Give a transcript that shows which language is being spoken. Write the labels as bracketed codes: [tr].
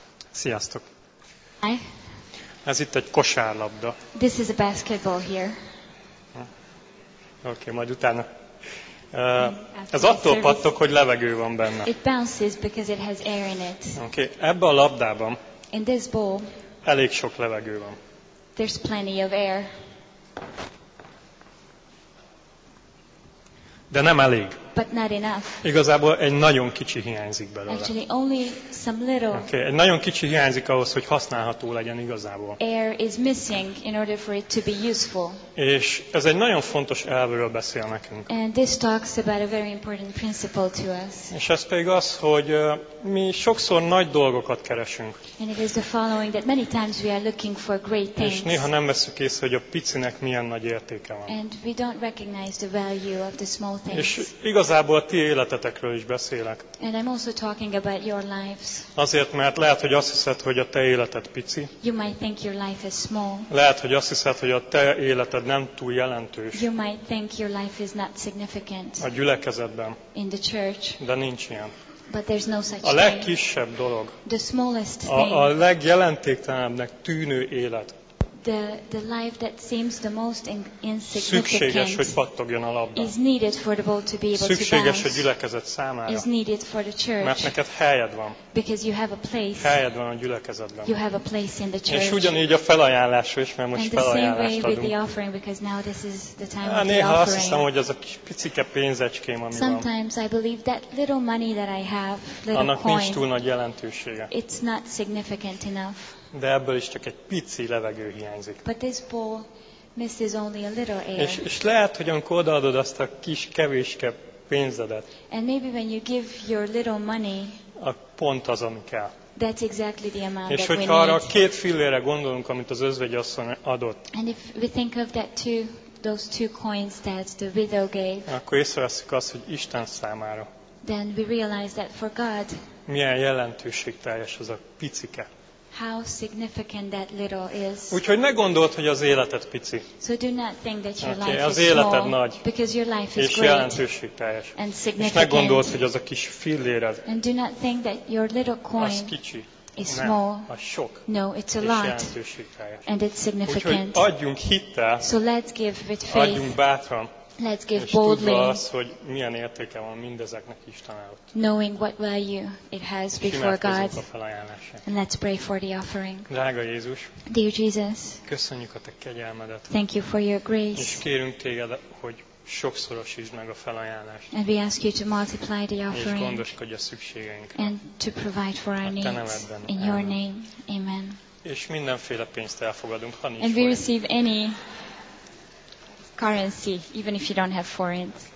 [hu] Sziasztok. [en] Hi. [hu] Ez itt egy kosárlabda. [en] This is a basketball here. [hu] Okay, majd utána. Ez attól pattog, hogy levegő van benne. [en] It bounces because it has air in it. [hu] Okay, ebben a labdában. [en] In this bowl. [hu] Elég sok levegő van. [en] There's plenty of air. [hu] De nem elég. [en] But not enough. [hu] Igazából egy nagyon kicsi hiányzik belőle. [en] Actually, only some little. [hu] Okay, egy nagyon kicsi hiányzik ahhoz, hogy használható legyen igazából. [en] Air is missing in order for it to be useful. [hu] És ez egy nagyon fontos elvről beszél nekünk. [en] And this talks about a very important principle to us. [hu] És ez pedig az, hogy mi sokszor nagy dolgokat keresünk. [en] And it is the following that many times we are looking for great things. [hu] És néha nem veszük észre, hogy a picinek milyen nagy értéke van. [en] And we don't recognize the value of the small things. [hu] És igazából a ti életetekről is beszélek. [en] And I'm also talking about your lives. [hu] Azért, mert lehet, hogy azt hiszed, hogy a te életed pici. [en] You might think your life is small. [hu] Lehet, hogy azt hiszed, hogy a te életed nem túl jelentős. [en] You might think your life is not significant. [hu] A gyülekezetben. [en] In the church. [hu] De nincs ilyen. [en] But there's no such [hu] a legkisebb [en] thing. [hu] Dolog. [en] The smallest thing. [hu] A legjelentéktelenebbnek tűnő élet. [en] The life that seems the most insignificant. [hu] Szükséges, hogy pattogjon a labda. [en] Is needed for the ball to be able [hu] szükséges, [en] to bounce. [hu] A gyülekezet számára. [en] Is needed for the church. [hu] Mert neked helyed van. [en] Because you have a place. [hu] Helyed van a gyülekezetben. [en] You have a place in the church. [hu] És ugyanígy a felajánlásra is, mert most felajánlást adunk. [en] And the same way with the offering, because now this is the time of the offering. [hu] Néha azt hiszem, hogy az a picike pénzecském, ami van. [en] Sometimes I believe that little money that I have, little coin. [hu] Annak nincs túl nagy jelentősége. [en] It's not significant enough. [hu] De ebből is csak egy pici levegő hiányzik. [en] But this bowl misses only a little air. [hu] És lehet, hogy amikor odaadod azt a kis kevéske pénzedet, [en] and maybe when you give your little money, [hu] a pont az, ami kell. [en] That's exactly the amount [hu] és [en] that [hu] hogyha arra a két fillére gondolunk, amit az özvegy asszony adott, [en] and if we think of that two, those two coins that the widow gave, [hu] akkor észreveszük azt, hogy Isten számára. [en] Then we realize that for God, [hu] milyen jelentőségteljes az a picike. [en] How significant that little is. [hu] Úgyhogy ne gondold, hogy az életed pici. [en] So do not think that your okay, life [hu] az [en] is [hu] életed [en] small, [hu] nagy. [en] Because your life is [hu] és [en] great. [hu] És jelentőségteljes. [en] And significant. [hu] És ne gondold, hogy az a kis filléred. [en] And do not think that your little coin [hu] az kicsi. [en] Is small. [hu] Nem, az sok. [en] No, it's a lot. [hu] És jelentőségteljes. [en] And it's significant. [hu] Úgyhogy adjunk hittel. [en] So let's give with faith. [hu] Adjunk bátran. [en] Let's give boldly. [hu] És tudva az, hogy milyen értéke van mindezeknek Isten előtt. [en] Knowing what value it has before God. And let's pray for the offering. [hu] Drága Jézus. [en] Dear Jesus. [hu] Köszönjük a te kegyelmedet. [en] Thank you for your grace. [hu] És kérünk téged, hogy sokszorosítsd meg a felajánlást. [en] And we ask you to multiply the offering. [hu] És gondoskodj a szükségeinkre. [en] And to provide for our needs. [hu] A te nevedben. [en] In your name. Amen. [hu] És mindenféle pénzt elfogadunk, ha nincs. [en] And we receive any currency, even if you don't have foreigns.